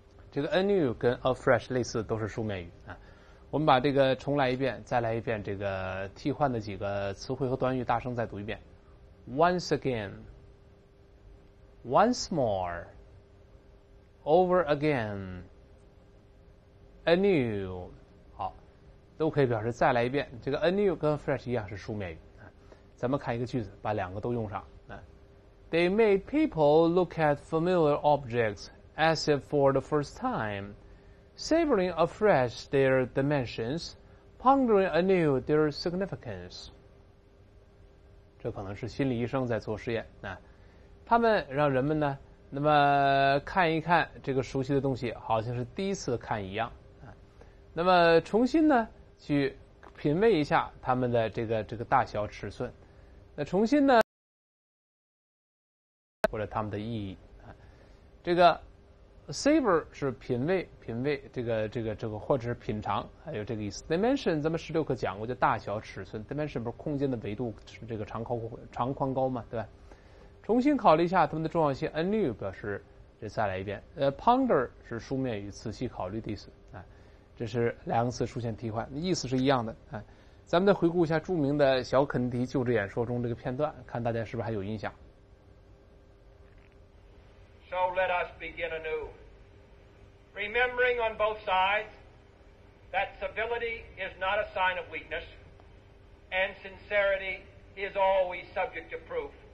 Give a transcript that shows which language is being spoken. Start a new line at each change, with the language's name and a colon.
Chinese: 这个 anew 跟 afresh 类似，都是书面语啊。我们把这个重来一遍，再来一遍，这个替换的几个词汇和短语，大声再读一遍 ：
English: once again， once more， over again， anew。
Chinese: 好，都可以表示再来一遍。这个 anew 跟 afresh 一样是书面语啊。咱们看一个句子，把两个都用上。
English: They made people look at familiar objects as if for the first time, savoring afresh their dimensions, pondering anew their significance.
Chinese: 这可能是心理医生在做实验啊。他们让人们呢，那么看一看这个熟悉的东西，好像是第一次看一样啊。那么重新呢，去品味一下他们的这个大小尺寸。那重新呢？或者他们的意义啊，这个 savor 是品味，这个或者是品尝，还有这个意思。 dimension 咱们十六课讲过，就大小尺寸。dimension 不是空间的维度，这个长宽高嘛，对吧？重新考虑一下他们的重要性。anew 表示这再来一遍。 ponder 是书面语，仔细考虑的意思啊。这是两个词出现替换，意思是一样的啊。咱们再回顾一下著名的小肯尼迪就职演说中这个片段，看大家是不是还有印象。
English: So let us begin anew, remembering on both sides that civility is not a sign of weakness, and sincerity is always subject to proof.